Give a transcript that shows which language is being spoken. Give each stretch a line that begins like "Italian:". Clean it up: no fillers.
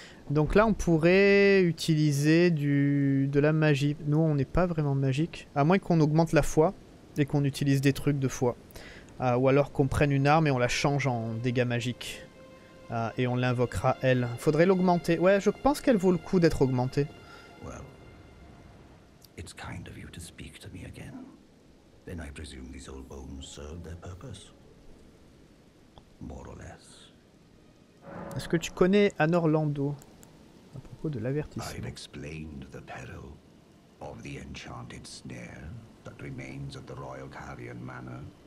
French: Donc là, on pourrait utiliser de la magie. Nous, on n'est pas vraiment magique. À moins qu'on augmente la foi et qu'on utilise des trucs de foi. Ou alors qu'on prenne une arme et on la change en dégâts magiques. Et on l'invoquera, elle. Faudrait l'augmenter. Ouais, je pense qu'elle vaut le coup d'être augmentée.
English: Well, it's kind of you to speak to me again. Then I presume these old bones served their purpose. More or less.
French: Est-ce que tu connais Anor Lando à propos de l'avertissement?
English: I've explained the peril of the enchanted snare that remains at the Royal Carrion Manor.